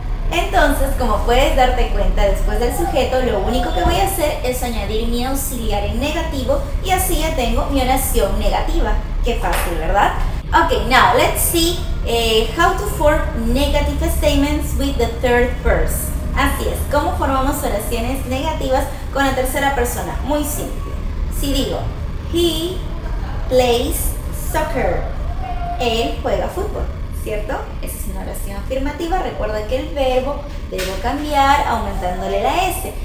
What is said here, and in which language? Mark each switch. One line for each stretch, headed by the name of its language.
Spanish: Entonces, como puedes darte cuenta, después del sujeto, lo único que voy a hacer es añadir mi auxiliar en negativo y así ya tengo mi oración negativa. Qué fácil, ¿verdad?
English: Ok, now let's see how to form negative statements with the third person.
Spanish: Así es, ¿cómo formamos oraciones negativas con la tercera persona? Muy simple. Si digo,
English: he plays soccer,
Spanish: él juega fútbol. ¿Cierto? Esa es una oración afirmativa. Recuerda que el verbo debo cambiar aumentándole la S.